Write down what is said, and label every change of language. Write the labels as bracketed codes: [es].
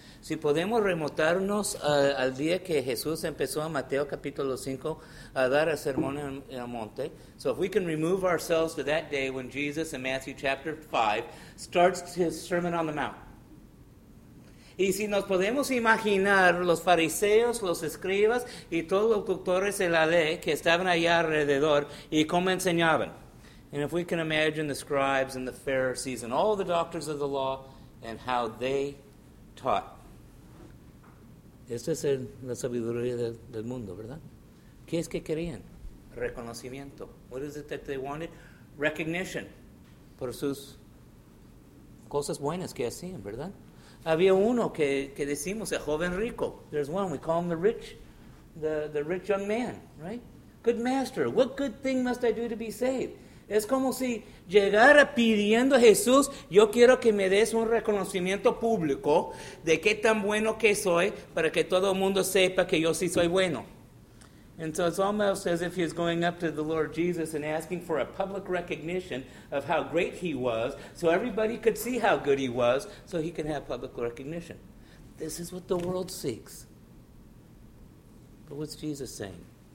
[es] Si podemos remontarnos al día que Jesús empezó en Mateo capítulo 5 a dar el sermón en el monte. [en] So if we can remove ourselves to that day when Jesus in Matthew chapter 5 starts his sermon on the mount. [es] Y si nos podemos imaginar los fariseos, los escribas y todos los doctores de la ley que estaban allá alrededor y cómo enseñaban. [en] And if we can imagine the scribes and the Pharisees and all the doctors of the law and how they taught. [es] Esta es la sabiduría del mundo, ¿verdad? ¿Qué es que querían? Reconocimiento. [en] What is it that they wanted? Recognition. [es] Por sus cosas buenas que hacían, ¿verdad? Había uno que decimos, el joven rico. [en] There's one, we call him the rich young man, right? Good master, what good thing must I do to be saved? [es] Es como si llegara pidiendo a Jesús, yo quiero que me des un reconocimiento público de qué tan bueno que soy para que todo el mundo sepa que yo sí soy bueno. [en] And so it's almost as if he's going up to the Lord Jesus and asking for a public recognition of how great he was so everybody could see how good he was so he can have public recognition. This is what the world seeks. But what's Jesus saying?